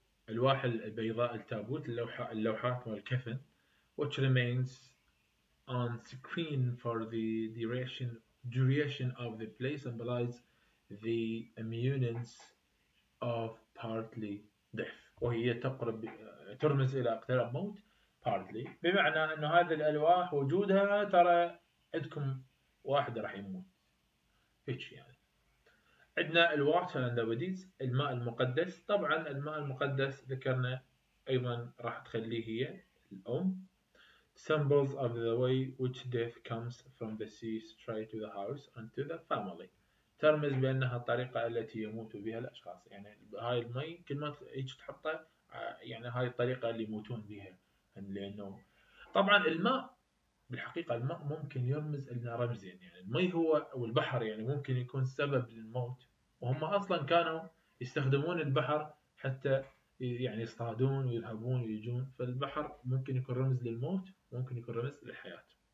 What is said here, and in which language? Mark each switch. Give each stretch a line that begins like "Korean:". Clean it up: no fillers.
Arabic: الواح البيضاء، التابوت، اللوحات والكفن.
English: Which remains on screen for the duration of the play symbolize the imminence of partly death.
Arabic: وهي تقرب، ترمز إلى اقتراب موت. Partly بمعنى أن هذه الألواح وجودها ترى عندكم واحد راح يموت هيك يعني. عندنا الواتر اند بوديز، الماء المقدس. طبعا الماء المقدس ذكرنا ايضا راح تخليه هي الام.
English: Symbols of the way which death comes from the sea straight to the house and to the family.
Arabic: ترمز بانها الطريقه التي يموت بها الاشخاص، يعني هاي المي كل ما هيك تحطه يعني هاي الطريقه اللي يموتون بها. لانه طبعا الماء بالحقيقه الماء ممكن يرمز لنا رمزين، يعني المي هو والبحر يعني ممكن يكون سبب للموت، وهم اصلا كانوا يستخدمون البحر حتى يعني يصطادون ويرهبون ويجون، فالبحر ممكن يكون رمز للموت ممكن يكون رمز للحياه.